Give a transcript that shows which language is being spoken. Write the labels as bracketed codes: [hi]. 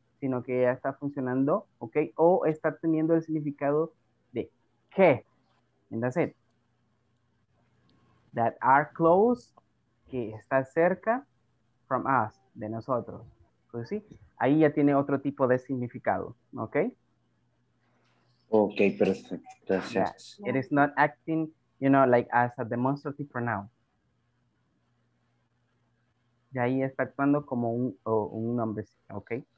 [es] Sino que ya está funcionando, ¿ok? O está teniendo el significado de que, and that's it. [en] That are close, que está cerca, from us, de nosotros. [es] Pues sí, ahí ya tiene otro tipo de significado, ¿ok? Ok, perfecto, gracias. [en] Yeah. It is not acting, you know, like as a demonstrative pronoun. [es] Y ahí está actuando como un nombre, ¿ok?